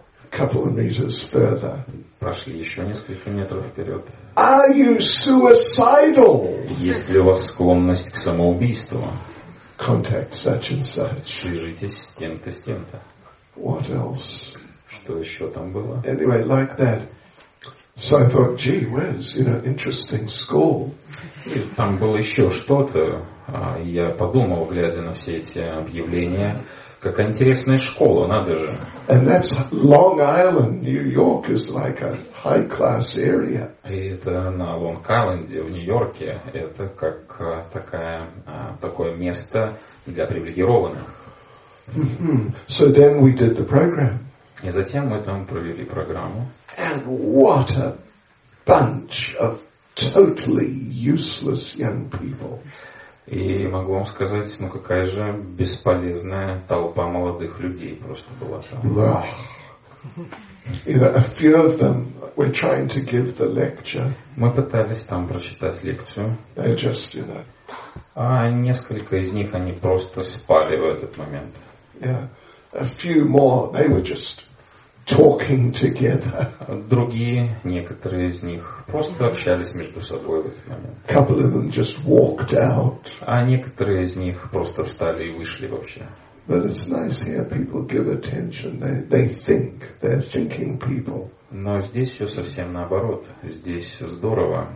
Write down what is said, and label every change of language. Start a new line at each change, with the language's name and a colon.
English: Couple of meters further.
Russian: Прошли еще несколько метров вперед.
English: Are you suicidal?
Russian: Есть ли у вас склонность к самоубийству?
English: Contact such and such.
Russian: Свяжитесь с тем-то, с тем-то.
English: What else?
Russian: Что еще там было?
English: Anyway, like that. So I thought, gee, where's, you know, interesting school.
Russian: И там было еще что-то. Я подумал, глядя на все эти объявления. Какая интересная школа, надо же.
English: And that's Long Island, New York is like a high-class area.
Russian: И это на Лонг-Айленде, в Нью-Йорке, это как такая, такое место для привилегированных.
English: Mm-hmm. So then we did the program.
Russian: И затем мы там провели программу.
English: And what a bunch of totally useless young people.
Russian: И могу вам сказать, ну какая же бесполезная толпа молодых людей просто была там.
English: A few of them were trying to give the lecture.
Russian: Мы пытались там прочитать лекцию.
English: They just, you know.
Russian: А несколько из них, они просто спали в этот момент.
English: Yeah. A few more, they were just talking together.
Russian: Другие, некоторые из них, просто общались между собой в этот момент.
English: Couple of them just walked out.
Russian: А некоторые из них просто встали и вышли вообще.
English: But it's nice here, people give attention. They think, they're thinking people.
Russian: Но здесь все совсем наоборот. Здесь здорово.